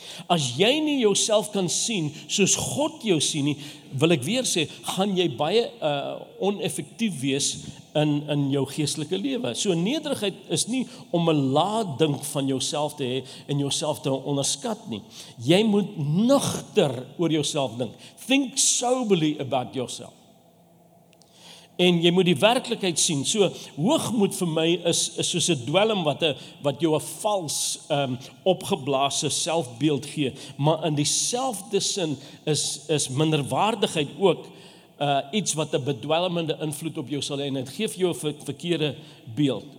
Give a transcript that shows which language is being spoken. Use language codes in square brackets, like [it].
[af] As jy nie jouself kan sien, soos God jou sien nie, wil ek weer sê, gaan jy baie oneffektief wees in jou geestelike lewe. So nederigheid is nie om 'n lading van jouself te hê en jouself te onderskat nie. Jy moet nugter oor jouself dink. [en] Think soberly about yourself. [af] En jy moet die werklikheid sien. So, hoogmoed vir my is soos 'n dwelm wat jou 'n vals opgeblaasde selfbeeld gee. Maar in dieselfde sin is minderwaardigheid ook iets wat 'n bedwelmende invloed op jou sal hê. En het geef jou 'n verkeerde beeld.